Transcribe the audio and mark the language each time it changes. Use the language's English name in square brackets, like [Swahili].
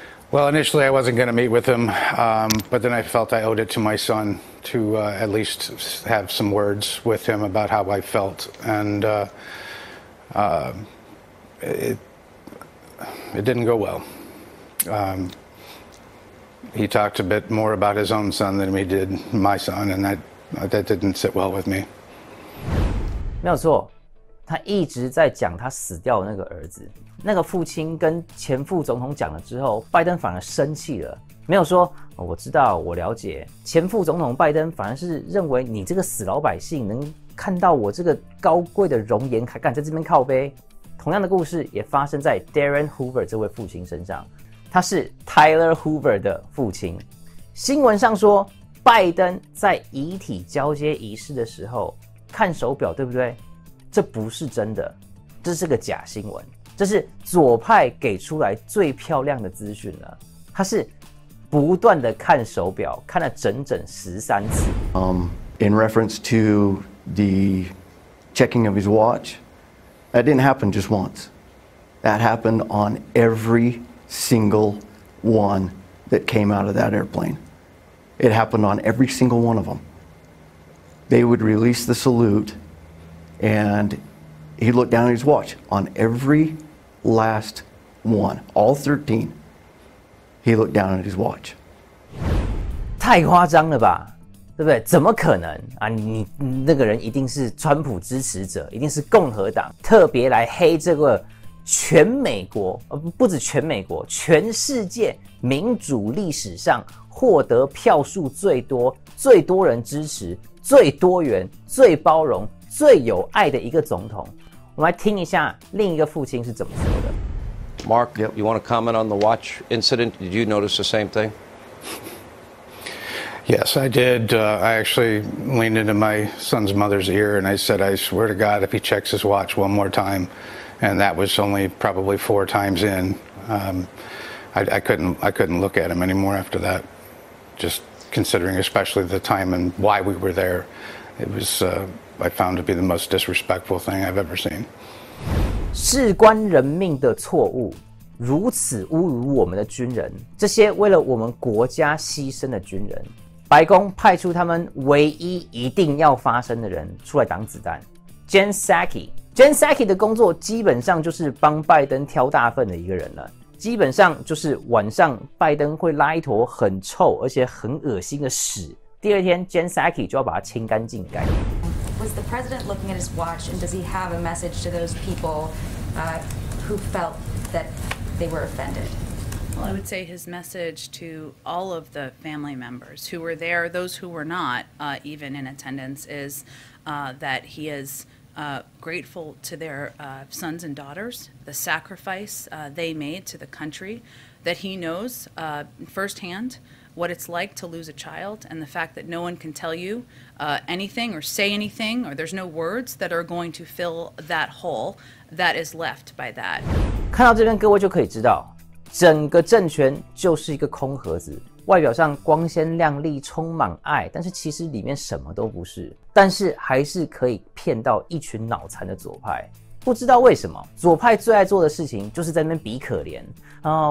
[English] Well, initially I wasn't going to meet with him, but then I felt I owed it to my son to at least have some words with him about how I felt. And it didn't go well. He talked a bit more about his own son than he did my son, and that didn't sit well with me. [Chinese] 没有错，他一直在讲他死掉的那个儿子。那个父亲跟前副总统讲了之后，拜登反而生气了，没有说、哦、我知道我了解。前副总统拜登反而是认为你这个死老百姓能看到我这个高贵的容颜还敢在这边靠背。同样的故事也发生在 Darren Hoover 这位父亲身上，他是 Tyler Hoover 的父亲。新闻上说拜登在遗体交接仪式的时候看手表，对不对？这不是真的，这是个假新闻，这是左派给出来最漂亮的资讯了。他是不断的看手表，看了整整13次。 [English] In reference to the checking of his watch, that didn't happen just once. That happened on every single one that came out of that airplane. It happened on every single one of them. They would release the salute, and he'd look down at his watch on every last one, all 13. He looked down at his watch. [Chinese] 太夸张了吧，对不对？怎么可能啊？你那个人一定是川普支持者，一定是共和党特别来黑这个全美国，不止全美国，全世界民主历史上获得票数最多、最多人支持。最多元、最包容、最有爱的一个总统。我们来听一下另一个父亲是怎么说的。 [English] Mark, you want to comment on the watch incident? Did you notice the same thing? Yes, I did. I actually leaned into my son's mother's ear and I said, I swear to God, if he checks his watch one more time, and that was only probably four times in, I couldn't look at him anymore after that. Just. Considering especially the time and why we were there, it was I found to be the most disrespectful thing I've ever seen. [Chinese] 事关人命的错误，如此侮辱我们的军人，这些为了我们国家牺牲的军人，白宫派出他们唯一一定要发声的人出来挡子弹 ，Jen Psaki。 Jen Psaki 的工作基本上就是帮拜登挑大粪的一个人了。基本上就是晚上拜登会拉一坨很臭而且很恶心的屎，第二天 Jen Psaki 就要把它清干净干净。 [English] Was the president looking at his watch and does he have a message to those people who felt that they were offended? Well, I would say his message to all of the family members who were there, those who were not even in attendance, is that he is. Grateful to their sons and daughters, the sacrifice they made to the country, that he knows firsthand what it's like to lose a child, and the fact that no one can tell you anything or say anything, or there's no words that are going to fill that hole that is left by that. [Chinese] 看到这边各位就可以知道，整个政权就是一个空盒子，外表上光鲜亮丽，充满爱，但是其实里面什么都不是，但是还是可以骗到一群脑残的左派。不知道为什么，左派最爱做的事情就是在那边比可怜啊！